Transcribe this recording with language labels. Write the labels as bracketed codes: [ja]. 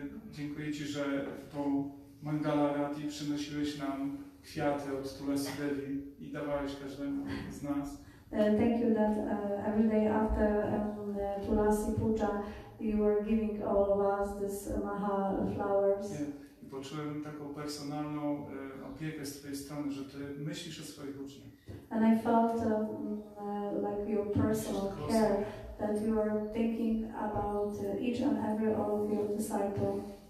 [pl] Dziękuję ci, że w tą Mangala Rati przynosiłeś nam kwiaty od Tulasi Devi i dawałeś każdemu z nas. [en] Thank you that every day after Tulasi Puja you were giving all of us this maha flowers. Yeah. [pl] I poczułem taką personalną opiekę z twojej strony, że ty myślisz o swoich uczniach. [en] And I felt like your personal care that you are thinking about each and every one of your disciples.